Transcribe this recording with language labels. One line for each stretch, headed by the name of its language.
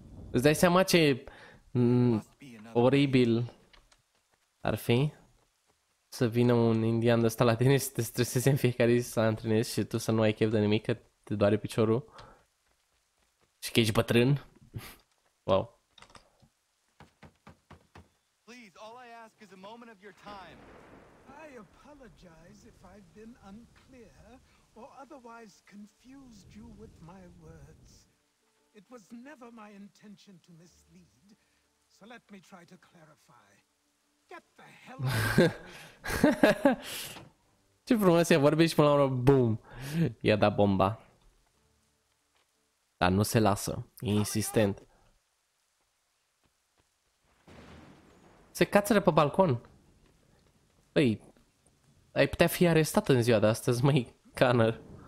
Romanian: Îți dai seama ce oribil ar fi să vină un indian de ăsta la tine și să te streseze în fiecare zi să antrenezi și tu să nu ai chef de nimic, că te doare piciorul și că ești bătrân?
English: Wow. Please, all I ask is a moment of your time. I apologize if I've been unclear or otherwise confused you with my words. It was never my intention to mislead, so let me try to clarify. Get the hell out.
Romanian: Ce frumos e, vorbești până la urmă, boom. I-a dat bomba. Dar nu se lasă, e insistent. Se cațără pe balcon. Păi, ai putea fi arestat în ziua de astăzi, măi, Connor.